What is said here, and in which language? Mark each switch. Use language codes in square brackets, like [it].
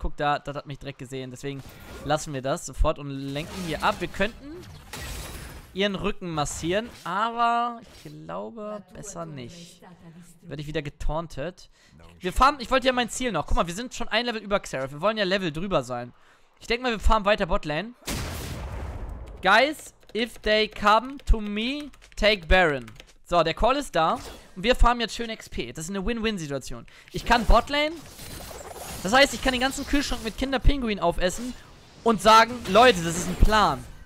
[de] Guck, da, das hat mich direkt gesehen. Deswegen lassen wir das sofort und lenken hier ab. Wir könnten ihren Rücken massieren. Aber ich glaube, besser nicht. Werde ich wieder getauntet. Wir fahren... Ich wollte ja mein Ziel noch. Guck mal, wir sind schon ein Level über Xerif. Wir wollen ja Level drüber sein. Ich denke mal, wir fahren weiter Botlane. [en] Guys, if they come to me, take Baron. [de] So, der Call ist da. Und wir farmen jetzt schön XP. Das ist eine Win-Win-Situation. Ich kann Botlane. Das heißt, ich kann den ganzen Kühlschrank mit Kinderpinguin aufessen. Und sagen, Leute, das ist ein Plan.